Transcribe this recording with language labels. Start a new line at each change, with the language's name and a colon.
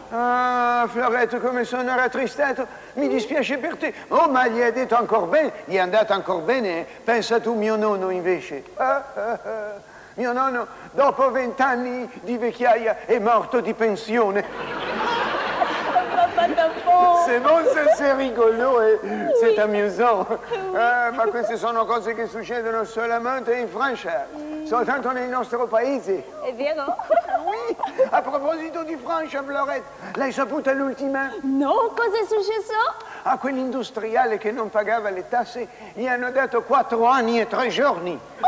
Italian: Ah, Florette, come sono rattristato. Mi dispiace per te. Oh, ma gli è detto ancora bene, gli è andato ancora bene. Pensa tu, mio nonno, invece. Mio nonno, dopo 20 anni di vecchiaia, è morto di pensione.
French: C'est bon, c'est rigolo, c'est amusant.
Italian: Ma queste sono cose che succedono solamente in Francia, soltanto nel nostro paese. È vero? Oui, a proposito di Francia, Florette, l'hai saputa l'ultima? No, cosa è successo? a quell'industriale che non pagava le tasse, gli hanno dato 4 anni e 3 giorni.